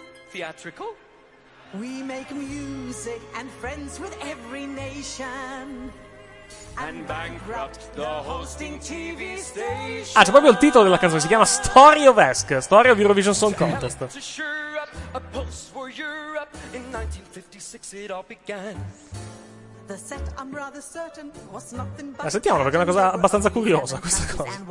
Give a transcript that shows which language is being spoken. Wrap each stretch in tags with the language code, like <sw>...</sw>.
<en>Theatrical? We make music and friends with every nation. And bankrupt the hosting TV station.</en> <it>Ah, c'è proprio il titolo della canzone, si chiama Story of Esk, Story of Eurovision Song Contest.</it> <en>A pulse for Europe in 1956 it all began. The set, I'm rather certain, was nothing but.</en> <it>Sentiamolo, perché è una cosa abbastanza curiosa questa cosa.</it>